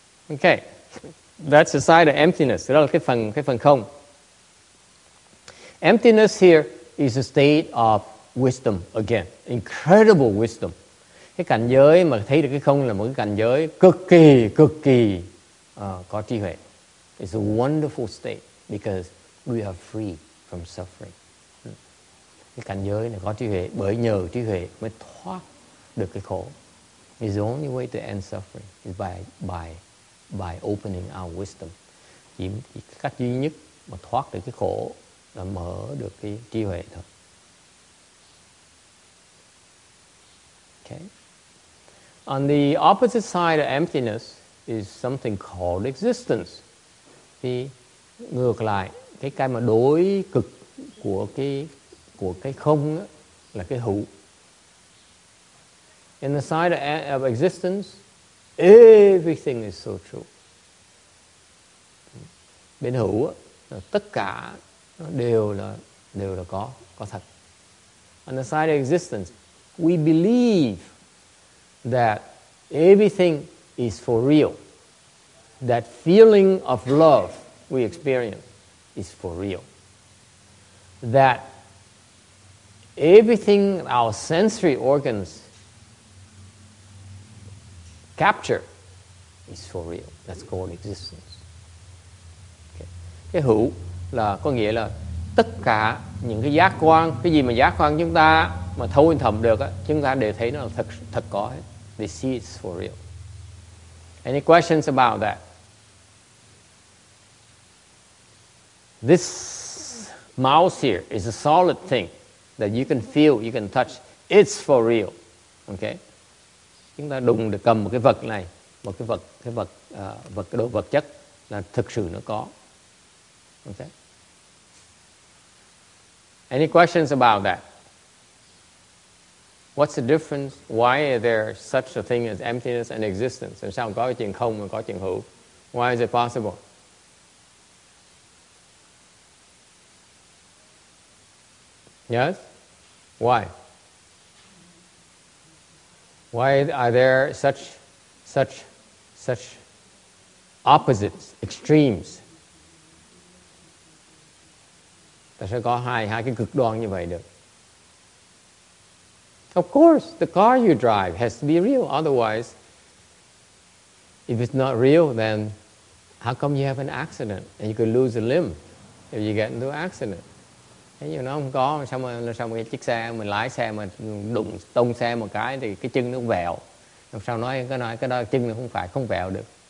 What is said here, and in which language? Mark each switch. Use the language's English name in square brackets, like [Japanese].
[English] Okay. That's the side of emptiness. [Vietnamese] Đó là cái phần không. [English] Emptiness here is a state of wisdom again. Incredible wisdom. [Vietnamese] Cái cảnh giới mà thấy được cái không là một cái cảnh giới cực kỳ có trí huệ. [English] It's a wonderful state because we are free from suffering. [Vietnamese] Cái cảnh giới này có trí huệ bởi nhờ trí huệ mới thoát được cái khổ. [English] Is the only way to end suffering is by opening our wisdom. [Vietnamese] Chỉ cách duy nhất mà thoát được cái khổ là mở được cái trí huệ thôi. [English] Okay. On the opposite side of emptiness is something called existence. [Vietnamese] Thì ngược lại, cái mà đối cực của cái không á, là cái hữu. [English] In the side of existence, everything is so true. [Vietnamese] Bên hữu á, tất cả nó đều là có thật. [English] On the side of existence, we believe that everything is for real. That feeling of love we experience is for real. That everything our sensory organs capture is for real. That's called existence. Okay. [Vietnamese] Cái hữu là có nghĩa là tất cả những cái giác quan, cái gì mà giác quan chúng ta mà thâu thầm được á, chúng ta đều thấy nó là thật có hết. [English] They see it's for real. Any questions about that? This mouse here is a solid thing that you can feel, you can touch. It's for real. Okay? [Vietnamese] Chúng ta đụng được cầm một cái vật cái đồ vật chất là thực sự nó có. [English] Okay. Any questions about that? What's the difference? Why is there such a thing as emptiness and existence? [Vietnamese] And sao có chuyện không và có chuyện hữu? [English] Why is it possible? Yes? Why? Why are there such opposites, extremes? [Vietnamese] Tại sao có hai cái cực đoan như vậy được? [English] Of course, the car you drive has to be real. Otherwise, if it's not real, then how come you have an accident and you could lose a limb if you get into an accident? [Vietnamese] Thế nhưng nó không có, sao mà chiếc xe mình lái xe mà đụng tông xe một cái thì cái chân nó vẹo. Làm sao nói cái đó chân nó không vẹo được.